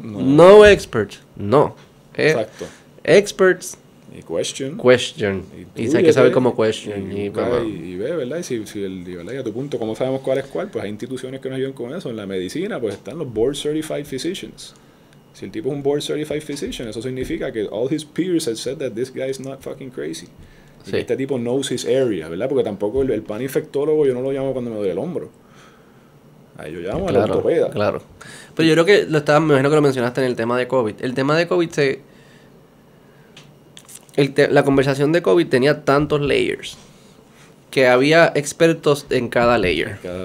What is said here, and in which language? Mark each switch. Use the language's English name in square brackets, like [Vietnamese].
[Spanish] No experts, no. Exacto. [English] Experts. [Spanish] Y question. Question. Y hay que saber cómo question. Y ve, ¿verdad? Y a tu punto, ¿cómo sabemos cuál es cuál? Pues hay instituciones que nos ayudan con eso. En la medicina, pues están los board certified physicians. Si el tipo es un board certified physician, eso significa que [English] all his peers have said that this guy is not fucking crazy. [Spanish] Sí. Este tipo [English] knows his area, [Spanish] ¿verdad? Porque tampoco el pan infectólogo yo no lo llamo cuando me duele el hombro. Ahí yo llamo al ortopeda. Claro. Pero yo creo que me imagino que lo mencionaste en el tema de COVID. El tema de COVID se... La conversación de COVID tenía tantos layers que había expertos en cada layer.